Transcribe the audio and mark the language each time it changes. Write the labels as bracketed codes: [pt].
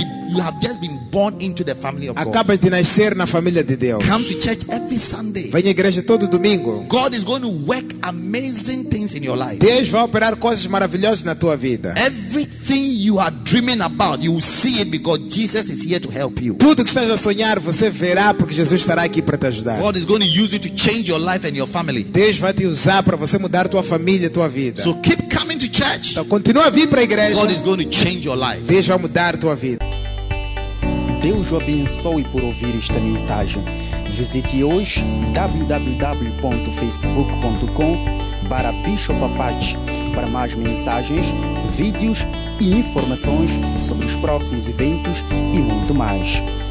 [en] You have just been born into the family of God. [pt] Acabas de nascer na família de Deus. [en] Come to church every Sunday. [pt] Vem à igreja todo domingo. [en] God is going to work amazing things in your life. [pt] Deus vai operar coisas maravilhosas na tua vida. [en] Everything you are dreaming about, you will see it because Jesus is here to help you. [pt] Tudo que estás a sonhar, você verá porque Jesus estará aqui para te ajudar. [en] God is going to use you to change your life and your family. [pt] Deus vai te usar para você mudar tua família e tua vida. [en] So keep coming to church. [pt] Então continua a vir para a igreja. [en] God is going to change your life. [pt] Deus vai mudar tua vida. Deus o abençoe por ouvir esta mensagem. Visite hoje www.facebook.com/bishopapache para mais mensagens, vídeos e informações sobre os próximos eventos e muito mais.